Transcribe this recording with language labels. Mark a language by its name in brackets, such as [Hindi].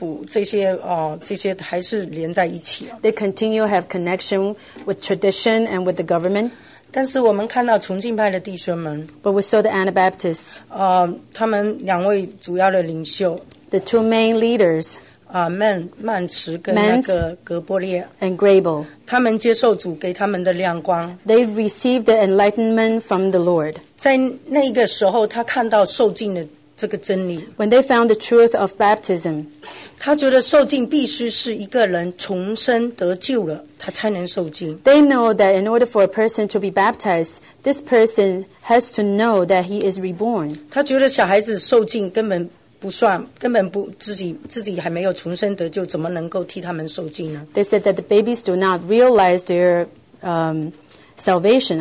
[Chinese] 他还是跟传统跟一些政府这些还是连在一起。 [English] They continue to have connection with tradition and with the government. [Chinese] 但是我们看到崇敬派的弟兄们, [English] but we saw the Anabaptists. [Chinese] 他们两位主要的领袖, [English] the two main leaders. Mance and Grable. They received the enlightenment from the Lord. [Chinese] 在那个时候他看到受浸的这个真理, [English] when they found the truth of baptism, [Chinese] 他觉得受浸必须是一个人重生得救了,他才能受浸。 [English] They know that in order for a person to be baptized, this person has to know that he is reborn. [Chinese] 他觉得小孩子受浸根本 不算,根本不,自己还没有重生得救,怎么能够替他们受浸呢? [English] They said that the babies do not realize their salvation.